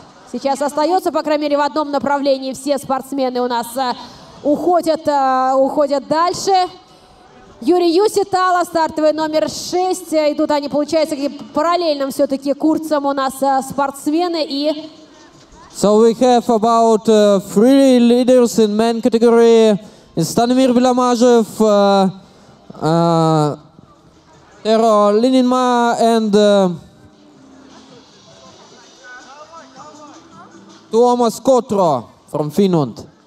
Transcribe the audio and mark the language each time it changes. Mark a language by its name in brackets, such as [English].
[Russian] Сейчас остается, по крайней мере, в одном направлении. Все спортсмены у нас уходят дальше. Юрий Юситало, стартовый номер 6. Идут они, получается, параллельным все-таки курсом у нас спортсмены. И... [English] So we have about three leaders in men category. Станимир Беломажев, Эро Лининма and... Tuomas Kotro from Finland.